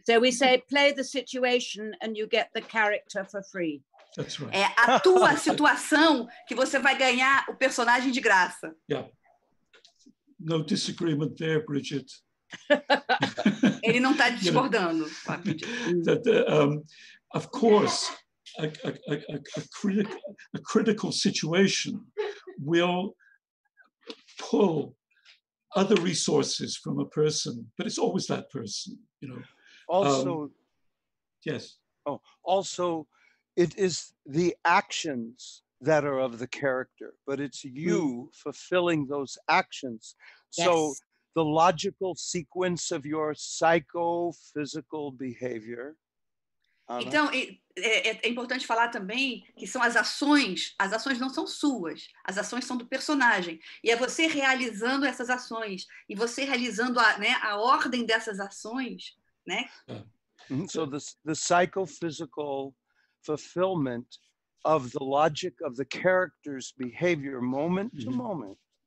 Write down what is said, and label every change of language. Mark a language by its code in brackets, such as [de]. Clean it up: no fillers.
[en] So we say, play the situation and you get the character for free. That's right. [pt] É a tua situação que você vai ganhar o personagem de graça. [en] Yeah. No disagreement there, Brigid. [pt] Ele não está discordando. [en] That, of course, a critical situation will pull other resources from a person, but it's always that person, you know. Also, yes. Oh, also, it is the actions that are of the character, but it's you fulfilling those actions. Yes. So the logical sequence of your psychophysical behavior. [pt] Então, é importante falar também que são as ações não são suas, as ações são do personagem. E é você realizando essas ações, e você realizando a ordem dessas ações, né? Mm-hmm. [en] So the psychophysical fulfillment of the logic of the character's behavior moment to moment.